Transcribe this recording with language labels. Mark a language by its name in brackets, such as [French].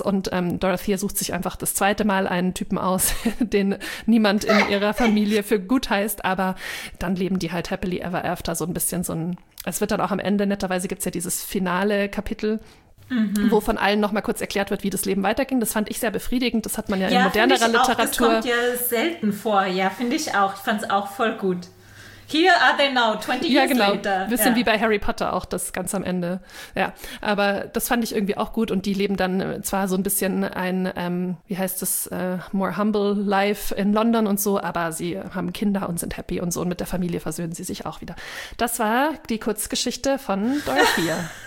[German] Und Dorothea sucht sich einfach das zweite Mal einen Typen aus, den niemand in ihrer Familie für gut heißt, aber dann leben die halt [English] happily ever after, [German] so ein bisschen so ein, es wird dann auch am Ende, netterweise gibt es ja dieses finale Kapitel, wo von allen nochmal kurz erklärt wird, wie das Leben weiterging. Das fand ich sehr befriedigend, das hat man in modernerer Literatur. Das kommt ja selten vor, finde ich auch. Ich fand es auch voll gut. [English] Here are they now, 20 years later. [German] Ein bisschen wie bei Harry Potter auch, das ganz am Ende. Ja, aber das fand ich irgendwie auch gut. Und die leben dann zwar so ein bisschen ein, [English] more humble life in London [German] und so, aber sie haben Kinder und sind happy und so. Und mit der Familie versöhnen sie sich auch wieder. Das war die Kurzgeschichte von Dorothea.